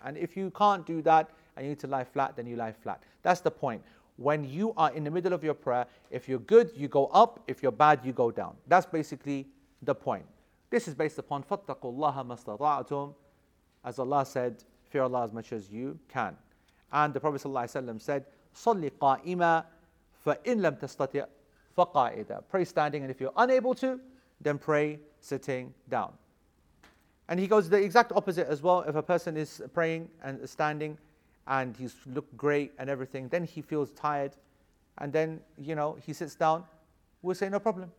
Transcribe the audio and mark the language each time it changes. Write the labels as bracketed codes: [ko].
[en] And if you can't do that, and you need to lie flat, then you lie flat. That's the point. When you are in the middle of your prayer, if you're good, you go up. If you're bad, you go down. That's basically the point. This is based upon [ar] فَاتَّقُوا اللَّهَ مَا اسْتَطَعْتُمْ. [en] As Allah said, fear Allah as much as you can. And the Prophet ﷺ said, [ar] صَلِّ قَائِمًا فَإِنْ لَمْ تَسْتَطِعْ فَقَائِدًا. [en] Pray standing, and if you're unable to, then pray sitting down. And he goes the exact opposite as well. If a person is praying and standing and he's looked great and everything, then he feels tired. And then, you know, he sits down. We'll say no problem.